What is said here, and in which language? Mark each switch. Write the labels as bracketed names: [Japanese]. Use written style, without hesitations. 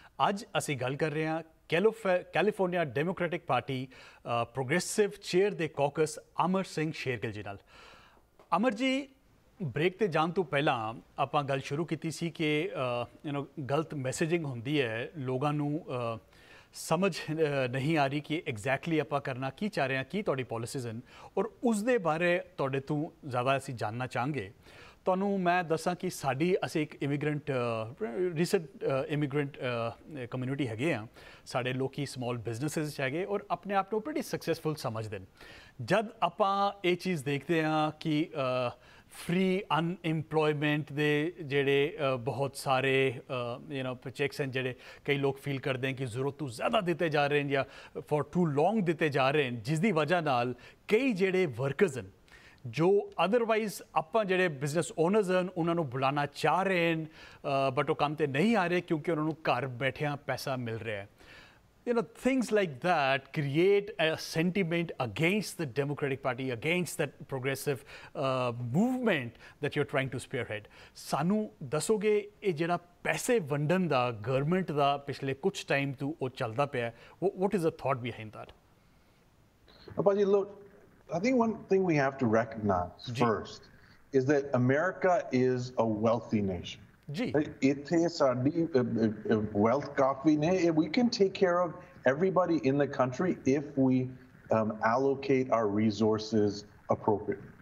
[Punjabi] ਅੱਜ ਅਸੀਂ ਗੱਲ ਕਰ ਰਹੇ ਹਾਂ California democratic party progressive chair ਦੇ ਕੌਕਸ ਅਮਰ ਸਿੰਘ ਸ਼ੇਰਗਿੱਲ ਜੀ ਨਾਲ। अमर जी, ब्रेक ते जाण तों पहलां आपां गल शुरू कीती सी कि यू नो गलत मैसेजिंग हुंदी है, लोगां नूं समझ नहीं आ रही कि एग्जैक्टली आपां करना की चाह रहे हां, की तुहाडी पॉलिसीज हन, और उसदे बारे तुहाडे तों ज़्यादा असीं जानना चाहांगे। ਤੁਹਾਨੂੰ ਮੈਂ ਦੱਸਾਂ ਕਿ ਸਾਡੀ ਅਸੀਂ ਇੱਕ ਇਮੀਗ੍ਰੈਂਟ ਰੀਸੈਂਟ ਇਮੀਗ੍ਰੈਂਟ ਕਮਿਊਨਿਟੀ ਹੈਗੇ ਹਾਂ, ਸਾਡੇ ਲੋਕ ਸਮਾਲ ਬਿਜ਼ਨਸਿਸ 'ਚ ਹੈਗੇ ਔਰ ਆਪਣੇ ਆਪ ਨੂੰ ਪ੍ਰੀਟੀ ਸਕਸੈਸਫੁਲ ਸਮਝਦੇ ਨੇ। ਜਦ ਆਪਾਂ ਇਹ ਚੀਜ਼ ਦੇਖਦੇ ਹਾਂ ਕਿ ਫਰੀ ਅਨਇੰਪਲੋਇਮੈਂਟ ਦੇ ਜਿਹੜੇ ਬਹੁਤ ਸਾਰੇ ਯੂ ਨੋ ਚੈੱਕਸ ਹਨ, ਜਿਹੜੇ ਕਈ ਲੋਕ ਫੀਲ ਕਰਦੇ ਹਨ ਕਿ ਜ਼ਰੂਰਤ ਤੋਂ ਜ਼ਿਆਦਾ ਦਿੱਤੇ ਜਾ ਰਹੇ ਹਨ ਜਾਂ [English] ਫੋਰ ਟੂ ਲੋਂਗ [Punjabi] ਦਿੱਤੇ ਜਾ ਰਹੇ ਹਨ, ਜਿਸ ਦੀ ਵਜ੍ਹਾ ਨਾਲ ਕਈ ਜਿਹੜੇ ਵਰਕਰਸ ਹਨ ਜੋ ਅਦਰਵਾਈਜ਼ ਆਪਾਂ ਜਿਹੜੇ ਬਿਜ਼ਨਸ ਓਨਰਸ ਹਨ ਉਹਨਾਂ ਨੂੰ ਬੁਲਾਉਣਾ ਚਾਹ ਰਹੇ ਹਨ ਬਟ ਉਹ ਕੰਮ 'ਤੇ ਨਹੀਂ ਆ ਰਹੇ ਕਿਉਂਕਿ ਉਹਨਾਂ ਨੂੰ ਘਰ ਬੈਠਿਆਂ ਪੈਸਾ ਮਿਲ ਰਿਹਾ। [English] You know things like that create a sentiment against the Democratic Party, against that progressive movement that you're trying to spearhead. [Punjabi] ਸਾਨੂੰ ਦੱਸੋਗੇ ਇਹ ਜਿਹੜਾ ਪੈਸੇ ਵੰਡਣ ਦਾ ਗਵਰਨਮੈਂਟ ਦਾ ਪਿਛਲੇ ਕੁਛ ਟਾਈਮ ਤੋਂ ਉਹ ਚੱਲਦਾ ਪਿਆ, [English] What is a thought behind that? I think one thing we have to recognize first is that America is a wealthy nation. [Punjabi] Ithe saadi wealth kaafi ne, [English] we can take care of everybody in the country if we allocate our resources appropriately.